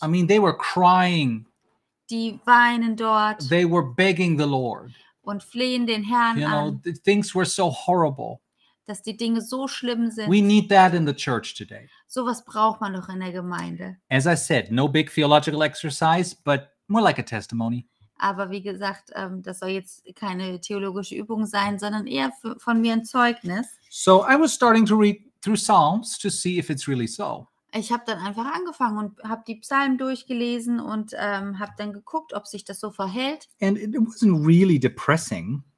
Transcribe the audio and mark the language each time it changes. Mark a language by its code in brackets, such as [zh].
[en] I mean, they were crying. [de] Die weinen dort. [en] They were begging the Lord. [de] und flehen den Herrn an. [en] You know, things were so horrible. [de] Dass die Dinge so schlimm sind. [en] We need that in the church today. [de] So was braucht man doch in der Gemeinde. [en] As I said, no big theological exercise, but more like a testimony. [de] Aber wie gesagt, das soll jetzt keine theologische Übung sein, sondern eher von mir ein Zeugnis. [en] So I was starting to read through Psalms to see if it's really so. [de] Ich habe dann einfach angefangen und habe die Psalmen durchgelesen und habe dann geguckt, ob sich das so verhält. [en] And it wasn't really depressing.